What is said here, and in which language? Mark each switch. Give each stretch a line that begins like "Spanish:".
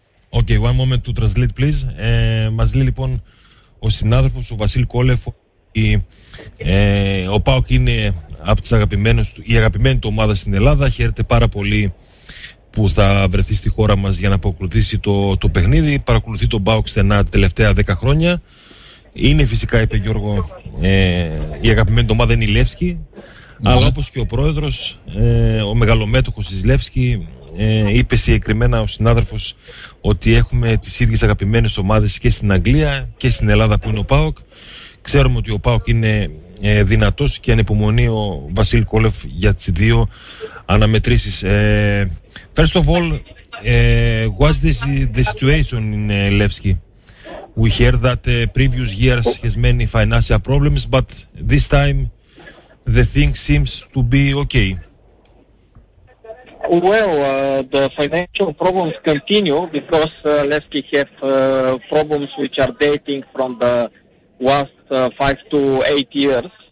English: Okay, one moment to translate, please.
Greek: Μας λέει λοιπόν ο συνάδελφος, ο Βασίλ Κόλεφ, ότι ο PAOK είναι από τις αγαπημένες του, η αγαπημένη του ομάδα στην Ελλάδα. Χαίρεται πάρα πολύ που θα βρεθεί στη χώρα μας για να αποκλουθήσει το παιχνίδι. Παρακολουθεί τον PAOK στενά τα τελευταία 10 χρόνια. Είναι φυσικά, είπε Γιώργο, η αγαπημένη ομάδα είναι η Λεύσκη, αλλά όπως και ο πρόεδρος, ο μεγαλομέτοχος της Λεύσκη, είπε συγκεκριμένα ο συνάδελφος ότι έχουμε τις ίδιες αγαπημένες ομάδες και στην Αγγλία και στην Ελλάδα που είναι ο ΠΑΟΚ. Ξέρουμε ότι ο ΠΑΟΚ είναι δυνατός και ανυπομονεί ο Βασίλ Κόλεφ για τις δύο αναμετρήσεις.
English: First of all, what's the situation in Λεύσκη? We heard that previous years has many financial problems, but this time the thing seems to be okay. Well, the financial problems continue, because Levski have problems which are dating from the last 5 to 8 years.